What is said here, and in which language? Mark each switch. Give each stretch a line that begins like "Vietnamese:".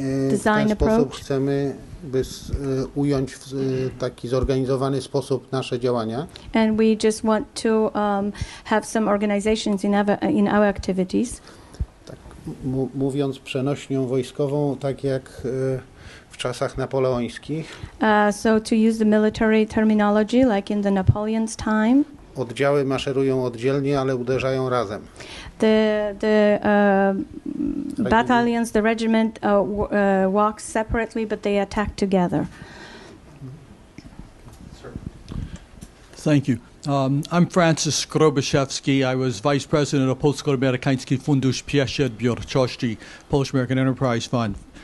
English: Design approach.
Polish: W ten sposób chcemy ująć w taki zorganizowany sposób nasze działania.
English: And we just want to have some organizations in our activities.
Polish: Tak, mówiąc przenośnią wojskową, tak jak w czasach napoleońskich.
English: So to use the military terminology, like in the Napoleon's time.
Polish: Oddziały maszerują oddzielnie, ale uderzają razem.
English: Battalions, the regiment walks separately, but they attack together. Thank you. I'm Francis Grobyszewski. I was vice president of Polsko-Amerykański Fundusz Przedsiębiorczości, Polish American Enterprise Fund.